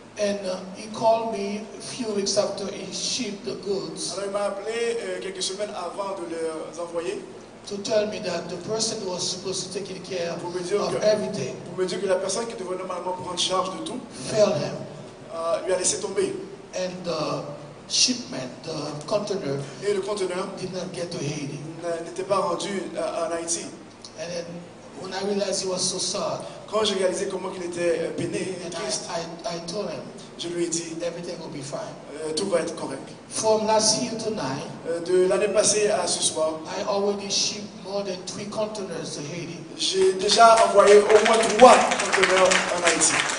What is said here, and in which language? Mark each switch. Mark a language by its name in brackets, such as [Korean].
[English] And he called me a few weeks after he shipped the goods. [French] Alors il m'a appelé quelques semaines avant de les envoyer. [English] To tell me that the person was supposed to take care of everything. [French] Pour me dire que la personne qui devait normalement prendre charge de tout. [English] Failed him. [French] Lui a laissé tomber. [English] And the shipment, the container, [French] et le conteneur [English] did not get to Haiti. [French] N'était pas rendu en Haïti. [English] And then when I realized he was so sad, [French] quand j'ai réalisé comment il était peiné et triste, [English] I told him, [French] je lui ai dit, [English] everything will be fine. [French] Tout va être correct. [English] From last year to now, [French] de l'année passée à ce soir, [English] I already shipped more than 3 containers to Haiti. [French] J'ai déjà envoyé au moins 3 conteneurs en Haïti.